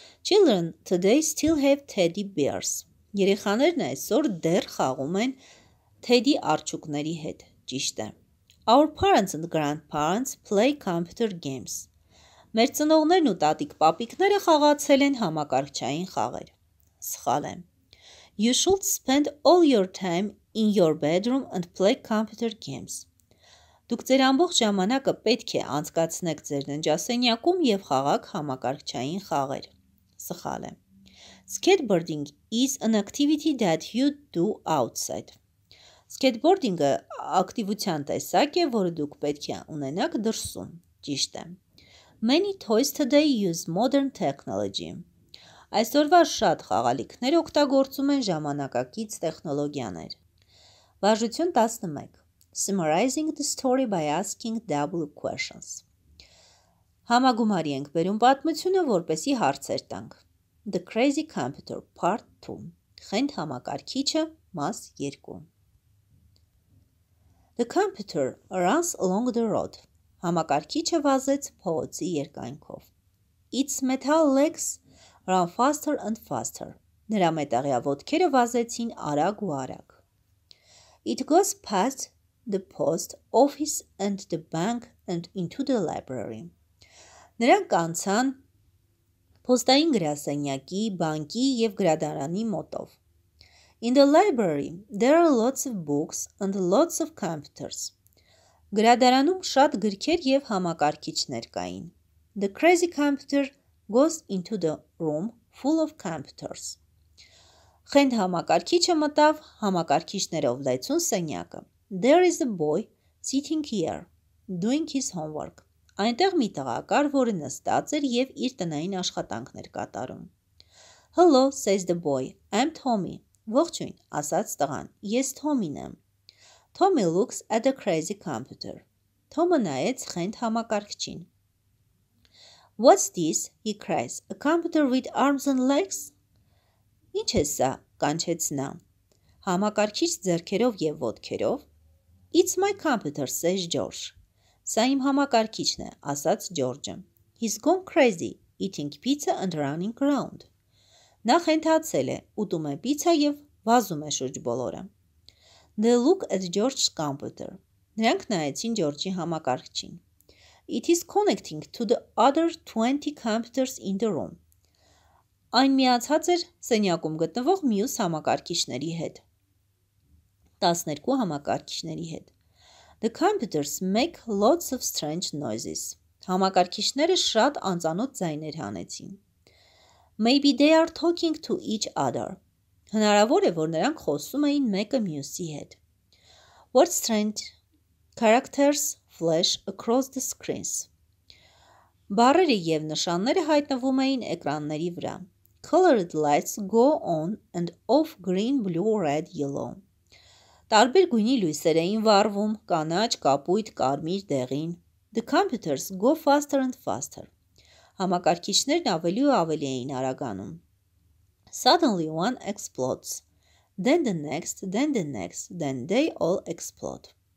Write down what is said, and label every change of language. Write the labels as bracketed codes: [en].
[en] Children today still have teddy bears. [hy] Երեխաներն այսօր դեռ խաղում են թեդի արջուկների հետ. Ճիշտ է. [en] Our parents and grandparents play computer games. [hy] Մեր ծնողներն ու տատիկ-պապիկները խաղացել են համակարգչային խաղեր. Սխալ է. [en] You should spend all your time in your bedroom and play computer games. [hy] Դուք ձեր ամբողջ ժամանակը պետք է անցկացնեք ձեր ննջասենյակում և խաղաք համակարգչային խաղեր. Սխալ է. [en] Skateboarding is an activity that you do outside. [hy] Skateboarding-ը ակտիվության տեսակ է, որը դուք պետք է ունենաք դրսում. Ճիշտ է. [en] Many toys today use modern technology. [hy] Այսօրվա շատ խաղալիքներ օգտագործում են ժամանակակից տեխնոլոգիաներ. Վարժություն 11. [en] Summarizing the story by asking double questions. [hy] Համագումարի ենք բերում պատմությունը, որպեսի հարցեր տանք. [en] The Crazy Computer Part 2. [hy] Խենթ համակարգիչը մաս 2. [en] The computer runs along the road. [hy] Համակարգիչը վազեց փողոցի երկայնքով. [en] Its metal legs ran faster and faster. [hy] Նրա մետաղյա ոտքերը վազեցին արագ ու արագ. [en] It goes past the post office and the bank and into the library. [hy] Նրանք անցան փոստային գրասենյակի, բանկի և գրադարանի մոտով. [en] In the library, there are lots of books and lots of computers. [hy] Գրադարանում շատ գրքեր և համակարգիչներ կային. [en] The crazy computer goes into the room full of computers. [hy] Խենթ համակարգիչը մտավ համակարգիչներով լեցուն սենյակը. [en] There is a boy sitting here, doing his homework. [hy] Այնտեղ մի տղա կար, որը նստած էր և իր տնային աշխատանքներ կատարում. [en] Hello, says the boy, I'm Tommy. [hy] Ողջույն, ասաց տղան, ես Tommy-ն եմ. [en] Tommy looks at the crazy computer. [hy] Թոմը նայեց խենթ համակարգչին. [en] What's this? He cries. A computer with arms and legs? [hy] Ինչ է սա, կանչեց նա. Համակարգիչ ձեռքերով և ոտքերով. [en] It's my computer, says George. [hy] Սա իմ համակարգիչն է, ասաց Ջորջը. [en] He's gone crazy, eating pizza and running around. [hy] Նա խենթացել է, ուտում է պիցա և վազում է շուրջ բոլորը. [en] They look at George's computer. [hy] Նրանք նայեցին Ջորջի համակարգչին. [en] It is connecting to the other 20 computers in the room. [hy] Այն միացած էր սենյակում գտնվող մյուս համակարգիչների հետ. 12 համակարգիչների հետ. [en] The computers make lots of strange noises. [hy] Համակարգիչները շատ անծանոթ ձայներ հանեցին. [en] Maybe they are talking to each other. [hy] Հնարավոր է, որ նրանք խոսում էին մեկը մյուսի հետ. [en] What strange characters flash across the screens? [hy] Բառերը և նշանները հայտնվում էին էկրանների վրա. [en] Colored lights go on and off green, blue, red, yellow. [hy] Տարբեր գույնի լույսեր էին վառվում, կանաչ, կապույտ, կարմիր, դեղին. [en] The computers go faster and faster. [hy] Համակարգիչներն ավելի ու ավելի էին արագանում. [en] Suddenly one explodes. Then the next, then they all explode.